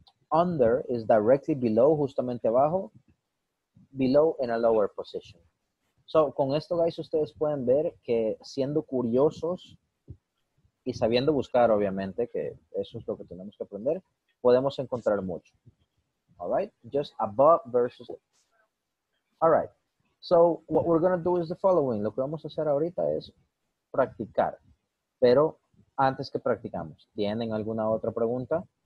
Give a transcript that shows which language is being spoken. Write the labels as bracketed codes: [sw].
[en] Under is directly below, [es] justamente abajo. [en] Below in a lower position. [es] So, con esto, guys, ustedes pueden ver que siendo curiosos y sabiendo buscar, obviamente, que eso es lo que tenemos que aprender, podemos encontrar mucho. [en] All right? Just above versus... All right. So, what we're going to do is the following. [es] Lo que vamos a hacer ahorita es practicar. Pero antes que practicamos, ¿tienen alguna otra pregunta?